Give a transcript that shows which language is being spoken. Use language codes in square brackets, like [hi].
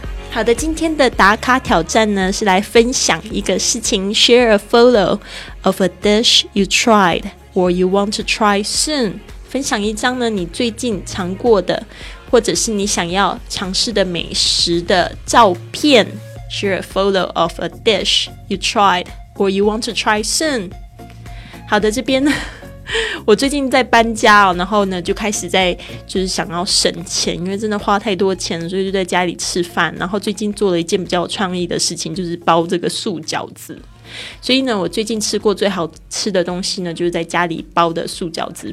[zh] 好的，今天的打卡挑战呢是来分享一个事情。 [en] Share a photo of a dish you tried or you want to try soon. [zh] 分享一张呢你最近尝过的或者是你想要尝试的美食的照片。 [en] Share a photo of a dish you tried or you want to try soon. [zh] 好的，这边呢我最近在搬家哦，然后呢就开始在就是想要省钱，因为真的花太多钱，所以就在家里吃饭。然后最近做了一件比较有创意的事情，就是包这个素饺子。所以呢我最近吃过最好吃的东西呢就是在家里包的素饺子。